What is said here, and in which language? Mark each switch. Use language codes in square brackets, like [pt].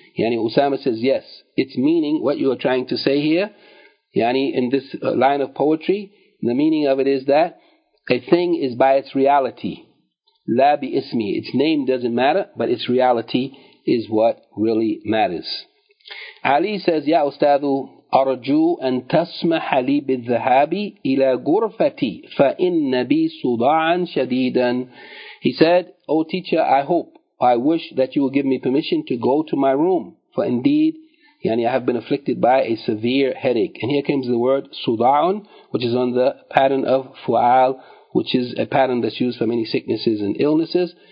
[en] Yani, Usama says, yes, its meaning, what you are trying to say here, yani, in this line of poetry, the meaning of it is that a thing is by its reality. [ar] لا بإسمي. [en] Its name doesn't matter, but its reality is what really matters. Ali says, [ar] يا أستاذ أرجو أن تسمح لي بالذهاب إلى غرفتي فإن بي صداعا شديدا. [en] He said, O teacher, I hope, I wish that you will give me permission to go to my room. For indeed, يعني, I have been afflicted by a severe headache. And here comes the word صداع, which is on the pattern of فعال, which is a pattern that's used for many sicknesses and illnesses.